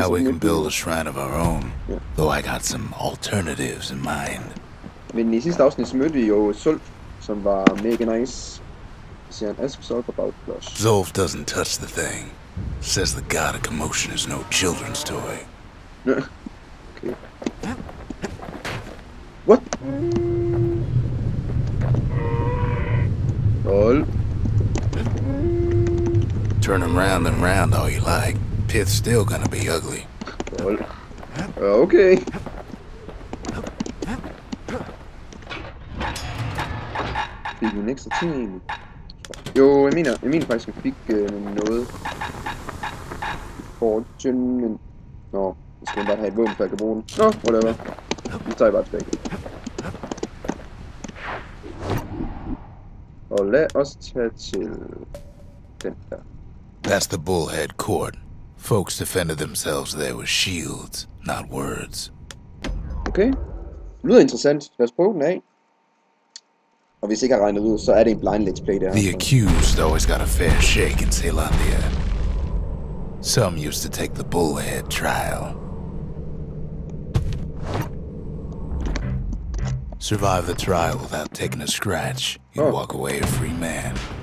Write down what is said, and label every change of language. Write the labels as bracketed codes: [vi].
[en] Now we can build a shrine of our own. Yeah. Though I got some alternatives in mind. [da] Men i sidste afsnit mødte vi jo Zulf, som var mega nice. Siger han, [en] ask Zulf about plus. Zulf doesn't touch the thing. Says the god of commotion is no children's toy. Okay. What? Roll. Turn him round and round all you like. Pyth's still gonna be ugly. Roll. Okay. [da] Fik en ekstra ting egentlig. Jo, jeg mener faktisk, at jeg fik noget. Fortune, men... Nå, nu skal jeg bare have et våben, før jeg kan bruge den. Nå, whatever. Nu tager jeg bare tilbage. Og lad os tage til... den der. [en] That's the bullhead court. Folks defended themselves there with shields, not words. [da] Okay. Lyder interessant. Lad os prøve den af. Og hvis ikke har regnet ud, så er det en blind let's play der. [en] The accused always got a fair shake in Ceylandia. Some used to take the bullhead trial. Survive the trial without taking a scratch, you walk away a free man.